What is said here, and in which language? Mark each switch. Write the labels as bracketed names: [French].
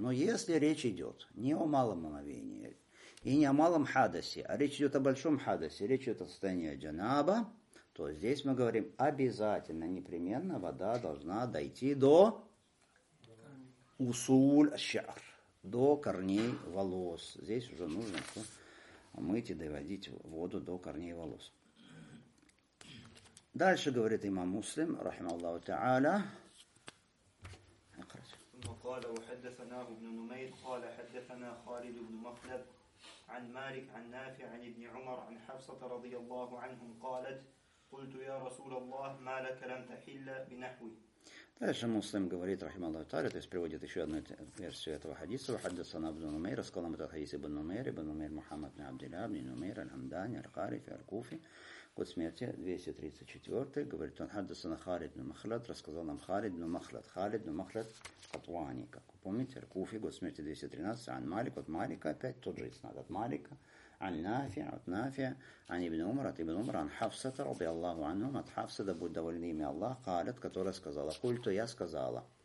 [Russian] Но если речь идет не о малом омовении и не о малом хадасе, а речь идет о большом хадасе, речь идет о состоянии джанаба, то здесь мы говорим, обязательно, непременно вода должна дойти до усуль-ащар, до корней волос. Здесь уже нужно умыть и доводить воду до корней волос. Дальше говорит имам Муслим, рахима Аллаху Та'аля. [Arabic] قال وحدثناه ابن نمير قال حدثنا خالد بن مخلد عن مالك عن نافع عن ابن عمر عن حفصة رضي الله عنهم قالت قلت يا رسول الله ما لك لم تحل بنحوي. [Russian] Дальше муслим говорит, рахималлаху та'аля, то есть приводит еще одну версию этого хадиса. Хаддасана ибн Нумейр, рассказал нам этот хадис ибн Нумейр, ибн Нумейр Мухаммад ибн Абдилля, ибн Нумейр, аль-Хамдани, аль-Харифи, аль-Куфи, год смерти, 234-й, говорит он, хаддасана Халид ибн Махлад, рассказал нам Халид ибн Махлад, Халид ибн Махлад Катвани, как вы помните, аль-Куфи, год смерти, 213-й, ан-Малик, от Малика, опять тот же иснад, от Малика, ан-Нафия, от Нафия, ан-Ибн Умар, ан-Хафсата, рабби Аллаху анхум, от Хафса, да будет доволен имя Аллах, Калят, которая сказала, культу я сказала.